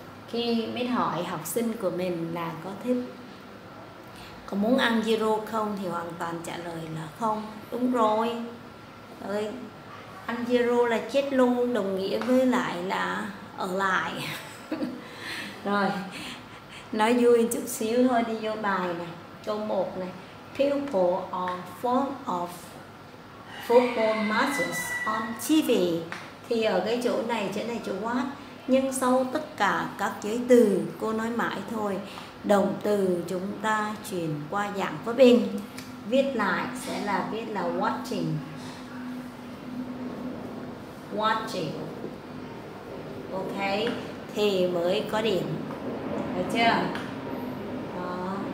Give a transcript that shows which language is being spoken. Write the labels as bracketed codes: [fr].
[vi] Khi mới hỏi học sinh của mình là có thích, có muốn ăn zero không thì hoàn toàn trả lời là không. Đúng rồi, ơi ăn zero là chết luôn, đồng nghĩa với lại là ở lại. Rồi nói vui chút xíu thôi, đi vô bài nè. [en] Câu 1 này: People are fond of football matches on TV. [vi] Thì ở cái chỗ này chỗ what, nhưng sau tất cả các giới từ cô nói mãi thôi, động từ chúng ta chuyển qua dạng verb in, viết lại sẽ là viết là watching. Watching. Ok, thì mới có điểm. Được chưa? Đó.